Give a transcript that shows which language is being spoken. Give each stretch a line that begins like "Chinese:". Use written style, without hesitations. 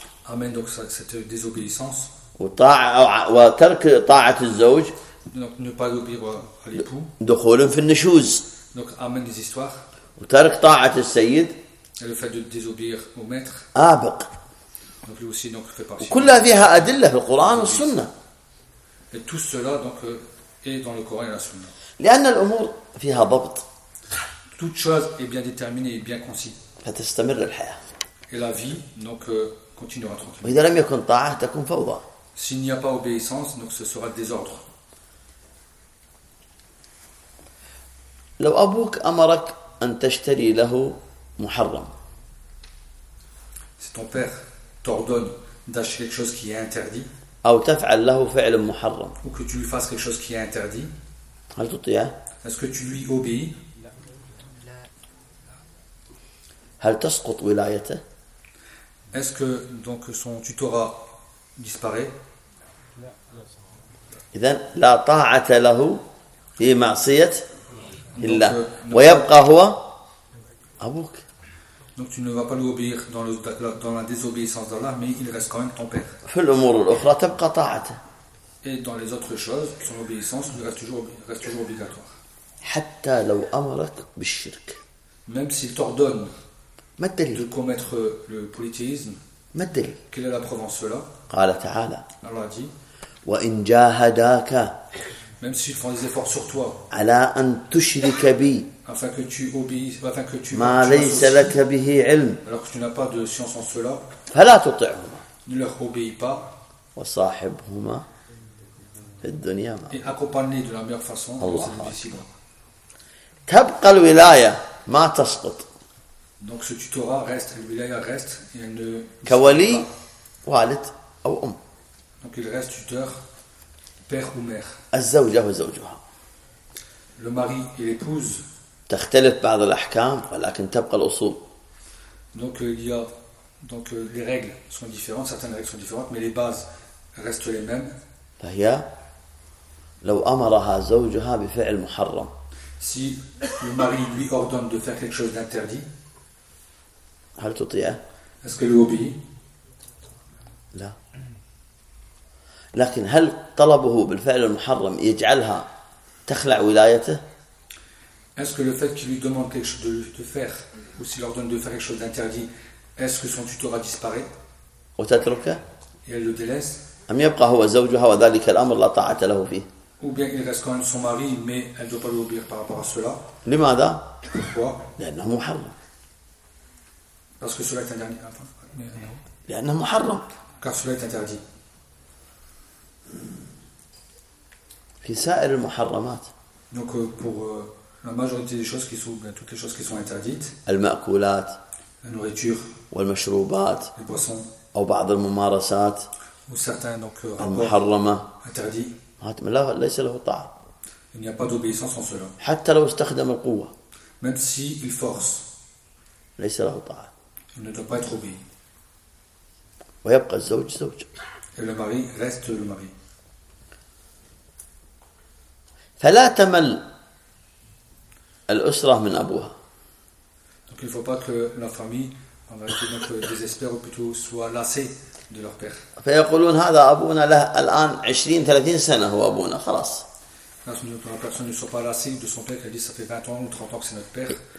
French: Amène donc cette désobéissance.
Arabic: Wa tarik ta'at al-zawj.
French: Donc ne pas obéir à l'époux.
Arabic: Dukhulun fi al-nushuz.
French: Donc amène des histoires.
Arabic: وترك طاعة السيد.
French: Et le fait de désobéir au maître.
Arabic: آبق.
French: Donc lui aussi donc fait partie.
Arabic: وكل هذه أدلة في القرآن والسنة.
French: Et tout cela donc est dans le Coran et la Sunna.
Arabic: لأن الأمور فيها ضبط.
French: Toute chose est bien déterminée et bien concise.
Arabic: فتستمر الحياة.
French: Et la vie donc continuera tranquille.
Arabic: وإذا لم يكن طاعة تكون فوضى.
French: S'il n'y a pas obéissance donc ce sera désordre.
Arabic: لو أبوك أمرك أن تشتري له محرم
French: si ton père t'ordonne d'acheter quelque chose qui est interdit,
Arabic: أو تفعل له فعل محرم.
French: Ou que tu lui fasses quelque chose qui est interdit.
Arabic: هل تطيع؟
French: Est-ce que tu lui obéis؟
Arabic: هل تسقط ولايته؟
French: Est-ce que donc son tutorat disparaît؟
Arabic: إذا لا طاعة له في معصية الله ويبقى هو أبوك.
French: Donc tu ne vas pas lui obéir dans le dans la désobéissance d'Allah, mais il reste quand même ton père.
Arabic: في الأمور الأخرى تبقى طاعته.
French: Et dans les autres choses, son obéissance reste toujours obligatoire.
Arabic: حتى لو أمرك بالشرك.
French: Même s'il t'ordonne
Arabic: ما الدليل؟
French: De commettre le polythéisme.
Arabic: ما الدليل؟
French: Quelle est la preuve en cela؟
Arabic: قال تعالى.
French: Allah dit.
Arabic: وإن جاهداك.
French: Même s'ils font des efforts sur toi.
Arabic: على أن تشرك بي.
French: Afin que tu obéis, afin que tu
Arabic: ما ليس لك به علم.
French: Alors que tu n'as pas de science en cela.
Arabic: فلا تطعهما.
French: Ne leur obéis pas.
Arabic: وصاحبهما في الدنيا ما.
French: Et accompagne-les de la meilleure façon.
Arabic: Allah Akbar. تبقى الولاية ما تسقط.
French: Donc ce tutorat reste, le wilaya reste, et elle ne.
Arabic: كولي والد أو أم.
French: Donc il reste tuteur, père ou mère.
Arabic: الزوجة وزوجها.
French: Le mari et l'épouse.
Arabic: تختلف بعض الأحكام ولكن تبقى الأصول.
French: Donc il y a donc les règles sont différentes, certaines règles sont différentes, mais les bases restent les mêmes.
Arabic: فهي لو أمرها زوجها بفعل محرم.
French: Si le mari lui ordonne de faire quelque chose d'interdit.
Arabic: هل تطيع؟
French: Est-ce que lui obéit؟
Arabic: لا. لكن هل طلبه بالفعل المحرم يجعلها تخلع ولايته؟
French: Est-ce que le fait qu'il lui demande quelque chose de faire ou s'il ordonne de faire quelque chose d'interdit, est-ce que son tutorat disparaît؟
Arabic: وتتركه؟
French: Et elle le délaisse؟
Arabic: أم يبقى هو زوجها وذلك الأمر لا طاعة له فيه؟
French: Ou bien il reste quand même son mari mais elle ne doit pas lui obéir par rapport à cela؟
Arabic: لماذا؟
French: Pourquoi؟
Arabic: لأنه محرم.
French: Parce que cela est interdit.
Arabic: لأنه محرم.
French: Car cela est interdit.
Arabic: في سائر المحرمات.
French: Donc pour la majorité des choses qui sont bien, toutes les choses qui sont interdites.
Arabic: المأكولات.
French: La nourriture.
Arabic: والمشروبات.
French: Les boissons.
Arabic: أو بعض الممارسات.
French: Ou certains donc
Arabic: المحرمة.
French: Interdit.
Arabic: لا ليس له طاعة.
French: Il n'y a pas d'obéissance en cela.
Arabic: حتى لو استخدم القوة.
French: Même si il force.
Arabic: ليس له طاعة.
French: Il ne doit pas être obéi.
Arabic: ويبقى الزوج زوج.
French: Et le mari reste le mari.
Arabic: فلا تمل الأسرة من أبوها.
French: Donc il ne faut pas que la famille en vérité donc désespère ou plutôt soit lassée de leur père.
Arabic: فيقولون هذا أبونا له الآن 20-30 سنة هو أبونا خلاص.
French: La personne ne soit pas lassée de son père, elle dit ça fait 20 ans ou 30 ans que c'est notre père.